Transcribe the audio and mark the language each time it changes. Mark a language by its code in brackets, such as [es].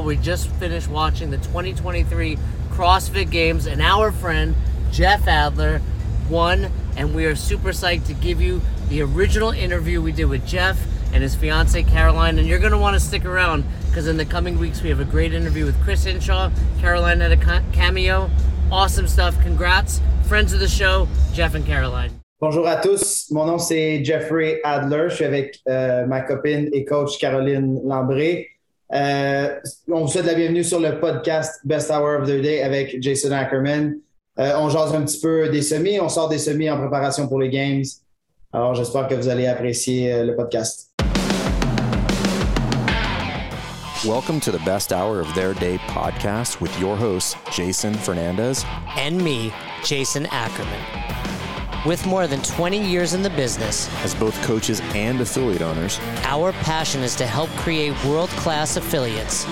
[en] We just finished watching the 2023 CrossFit Games, and our friend Jeff Adler won, and we are super psyched to give you the original interview we did with Jeff and his fiance Caroline. And you're going to want to stick around, because in the coming weeks we have a great interview with Chris Hinshaw. Caroline had a cameo. Awesome stuff. Congrats, friends of the show, Jeff and Caroline. [fr] Bonjour à tous. Mon nom c'est Jeffrey Adler. Je suis avec ma copine et coach Caroline Lambray. On vous souhaite la bienvenue sur le podcast Best Hour of the Day avec Jason Ackerman. On jase un petit peu des semis. On sort des semis en préparation pour les Games. Alors j'espère que vous allez apprécier le podcast. [en] Welcome to the Best Hour of Their Day podcast with your host Jason Fernandez and me, Jason Ackerman. With more than 20 years in the business, as both coaches and affiliate owners, our passion is to help create world-class affiliates